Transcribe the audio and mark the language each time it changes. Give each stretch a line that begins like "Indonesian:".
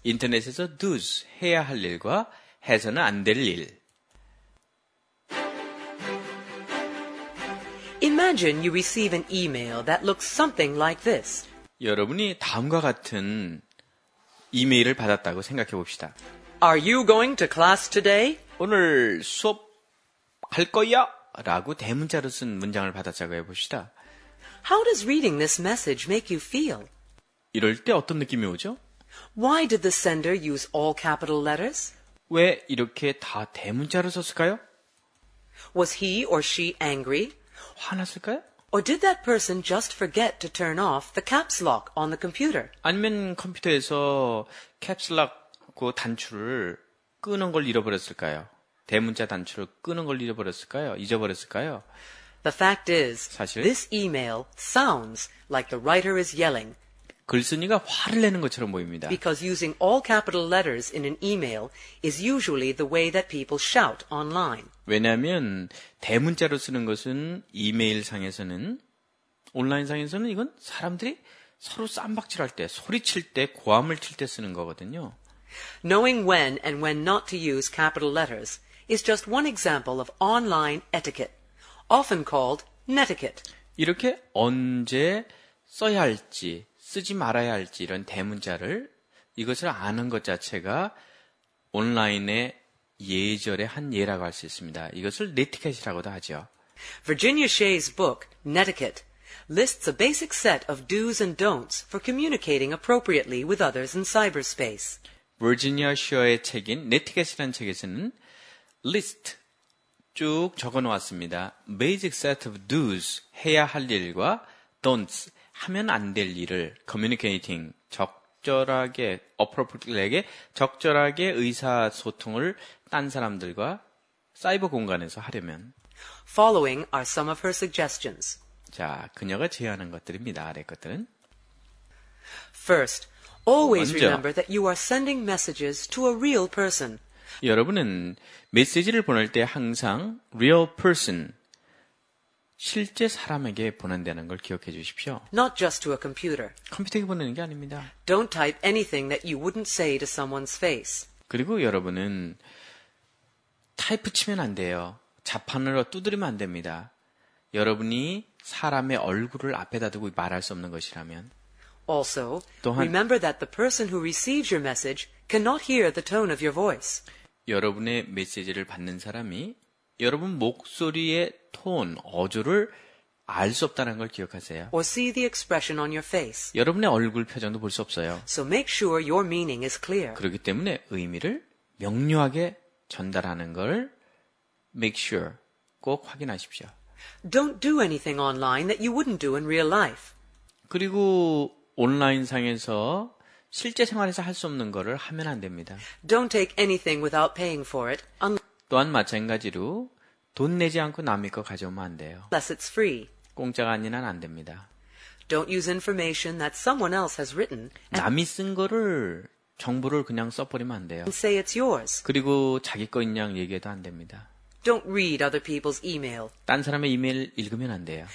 Korean: 인터넷에서 do's, 해야 할 일과 해서는 안 될 일.
English: Imagine you receive an email that looks something like this.
Korean: 여러분이 다음과 같은 이메일을 받았다고 생각해 봅시다.
English: Are you going to class today?
Korean: 오늘 수업 할 거야? 라고 대문자로 쓴 문장을 받았다고 해봅시다.
English: How does reading this message make you feel?
Korean: 이럴 때 어떤 느낌이 오죠?
English: Why did the sender use all capital letters?
Korean: 왜 이렇게 다 대문자로 썼을까요?
English: Was he or she angry?
Korean: 화났을까요?
English: Or did that person just forget to turn off the caps lock on the computer?
Korean: 아니면 컴퓨터에서 caps lock 그 단추를 끄는 걸 잃어버렸을까요? 대문자 단추를 끄는 걸 잃어버렸을까요? 잊어버렸을까요?
English: The fact is,
Korean: 사실,
English: this email sounds like the writer is yelling.
Korean: 글쓴이가 화를 내는 것처럼 보입니다.
English: Because using all capital letters in an email is usually the way that people shout online.
Korean: 왜냐하면 대문자로 쓰는 것은 이메일 상에서는 온라인 상에서는 이건 사람들이 서로 쌈박질할 때 소리칠 때 고함을 칠 때 쓰는 거거든요.
English: Knowing when and when not to use capital letters is just one example of online etiquette, often called netiquette.
Korean: 이렇게 언제 써야 할지 쓰지 말아야 할지 이런 대문자를 이것을 아는 것 자체가 온라인의 예절의 한 예라고 할 수 있습니다. 이것을 네티켓이라고도 하죠.
English: Virginia Shea's book Netiquette lists a basic set of do's and don'ts for communicating appropriately with others in cyberspace.
Korean: 버지니아 셔의 책인 네티켓이라는 책에서는 list 쭉 적어 놓았습니다.
English: basic set of do's
Korean: 해야 할 일과 don'ts 하면 안 될 일을 communicating 적절하게 appropriately에게 적절하게 의사소통을 딴 사람들과 사이버 공간에서 하려면
English: following are some of her suggestions.
Korean: 자, 그녀가 제안한 것들입니다. 아래 것들은
English: first Always remember that you are sending messages to a real person.
Korean: 여러분은 메시지를 보낼 때 항상
English: real person,
Korean: 실제 사람에게 보낸다는 걸 기억해 주십시오.
English: Not just to a computer.
Korean: 컴퓨터에 보내는 게 아닙니다.
English: Don't type anything that you wouldn't say to someone's face.
Korean: 그리고 여러분은 타이프 치면 안 돼요. 자판으로 두드리면 안 됩니다. 여러분이 사람의 얼굴을 앞에다 두고 말할 수 없는 것이라면
English: Also,
Korean: 또한,
English: remember that the person who receives your message cannot hear the tone of your voice.
Korean: 여러분의 메시지를 받는 사람이 여러분 목소리의 톤, 어조를 알 수 없다는 걸 기억하세요.
English: Or see the expression on your face.
Korean: 여러분의 얼굴 표정도 볼 수 없어요.
English: So make sure your meaning is clear.
Korean: 그렇기 때문에 의미를 명료하게 전달하는 걸
English: make sure
Korean: 꼭 확인하십시오.
English: Don't do anything online that you wouldn't do in real life.
Korean: 그리고 온라인 상에서 실제 생활에서 할 수 없는 것을 하면 안 됩니다.
English: Don't take anything without paying for it.
Korean: 또한 마찬가지로 돈 내지 않고 남의 거 가져오면 안 돼요.
English: Unless it's free.
Korean: 공짜가 아니면 안 됩니다.
English: Don't use information that someone else has written.
Korean: 남이 쓴 거를 정보를 그냥 써버리면 안 돼요.
English: And say it's yours.
Korean: 그리고 자기 거인 양 얘기해도 안 됩니다.
English: Don't read other people's email.
Korean: 딴 사람의 이메일 읽으면 안 돼요.